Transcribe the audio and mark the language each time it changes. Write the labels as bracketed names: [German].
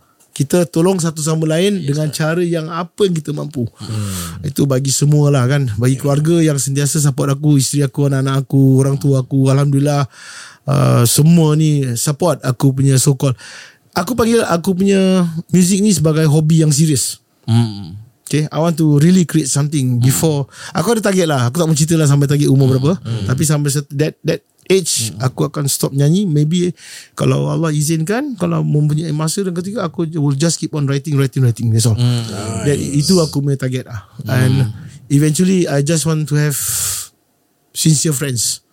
[Malay] Kita tolong satu sama lain dengan cara yang apa yang kita mampu. Itu bagi semua lah kan. Bagi keluarga yang sentiasa support aku, isteri aku, anak-anak aku, orang tua aku, alhamdulillah semua ni support aku punya so-called. Aku panggil aku punya music ni sebagai hobi yang serius. [English] Okay, I want to really create something before. [Malay] Aku ada target lah. Aku tak mau cerita lah sampai target umur berapa. Tapi sampai [English] that age, [Malay] aku akan stop nyanyi. [English] Maybe [Malay] kalau Allah izinkan, kalau mempunyai masa dan ketika, aku [English] will just keep on writing. That's all. Nice. [Malay] That, itu aku punya target lah. [English] And eventually, I just want to have sincere friends.